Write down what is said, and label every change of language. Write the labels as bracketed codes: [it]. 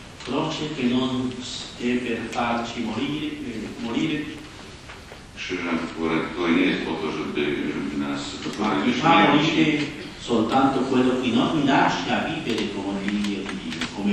[it] Croce che non è per farci morire. [pl] Krzyża, które to nie jest po to, żeby nas doprowadzić do śmierci. [it] Ma soltanto quello che non mi lascia vivere come figlio di Dio, come